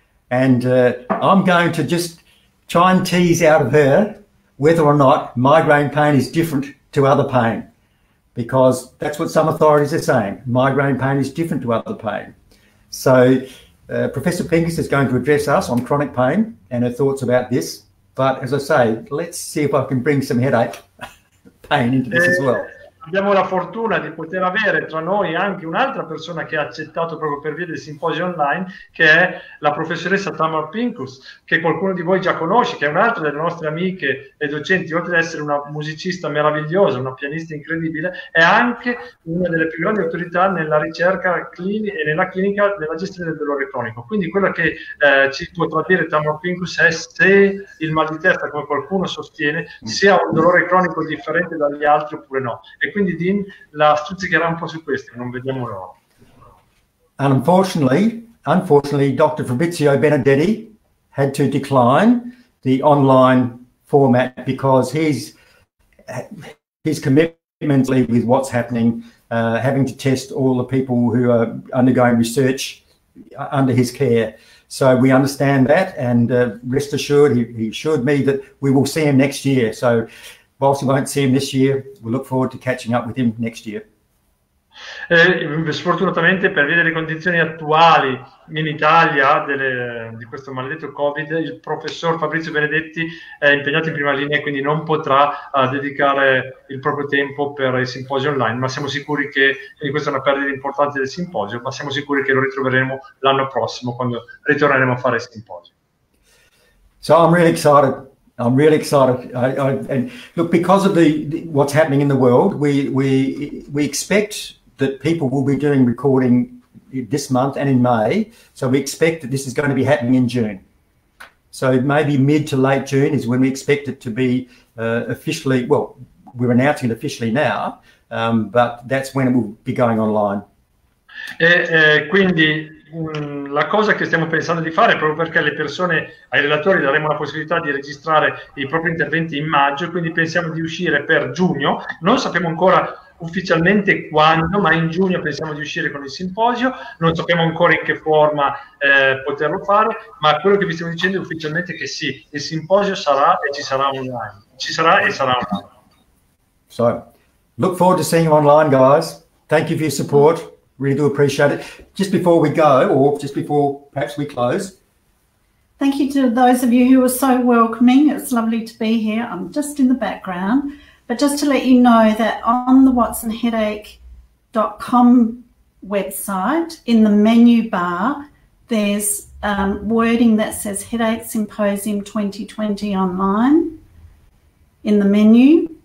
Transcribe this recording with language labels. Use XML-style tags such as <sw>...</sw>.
<en>And I'm going to just try and tease out of her whether or not migraine pain is different to other pain, because that's what some authorities are saying. Migraine pain is different to other pain. So Professor Pincus is going to address us on chronic pain and her thoughts about this. But as I say, let's see if I can bring some headache pain into this as well.</en> <it>Abbiamo la fortuna di poter avere tra noi anche un'altra persona che ha accettato proprio per via del simposio online, che è la professoressa Tamar Pincus, che qualcuno di voi già conosce, che è un'altra delle nostre amiche e docenti, oltre ad essere una musicista meravigliosa, una pianista incredibile, è anche una delle più grandi autorità nella ricerca clinica e nella clinica della gestione del dolore cronico. Quindi quello che ci potrà dire Tamar Pincus è se il mal di testa, come qualcuno sostiene, sia un dolore cronico differente dagli altri oppure no. E quindi Dean la stuzzicherà un po' su questo, non vediamo l'ora.</it> <en>And unfortunately, Dr. Fabrizio Benedetti had to decline the online format because his commitment with what's happening, having to test all the people who are undergoing research under his care. So we understand that, and rest assured, he assured me that we will see him next year. So whilst we won't see him this year, we look forward to catching up with him next year.</en> <it>Sfortunatamente, per via delle condizioni attuali in Italia di questo maledetto Covid, il professor Fabrizio Benedetti è impegnato in prima linea e quindi non potrà dedicare il proprio tempo per il simposio online, ma siamo sicuri che, e questa è una perdita importante del simposio, ma siamo sicuri che lo ritroveremo l'anno prossimo quando ritorneremo a fare il simposio.</it> <en>So I'm really excited. I'm really excited. And look, because of what's happening in the world, we expect that people will be doing recording this month and in May. So we expect that this is going to be happening in June. So maybe mid to late June is when we expect it to be officially, well, we're announcing it officially now, but that's when it will be going online.</en> <it>Quindi la cosa che stiamo pensando di fare, proprio perché le persone, ai relatori daremo la possibilità di registrare i propri interventi in maggio, quindi pensiamo di uscire per giugno, non sappiamo ancora ufficialmente quando, ma in giugno pensiamo di uscire con il simposio, non sappiamo ancora in che forma poterlo fare, ma quello che vi stiamo dicendo è ufficialmente che sì, il simposio sarà e ci sarà online. Ci sarà e sarà online.</it> <en>So, look forward to seeing you online, guys. Thank you for your support. Really do appreciate it. Just before we go, or just before perhaps we close. Thank you to those of you who were so welcoming. It's lovely to be here. I'm just in the background. But just to let you know that on the watsonheadache.com website, in the menu bar, there's wording that says Headache Symposium 2020 online in the menu.</en>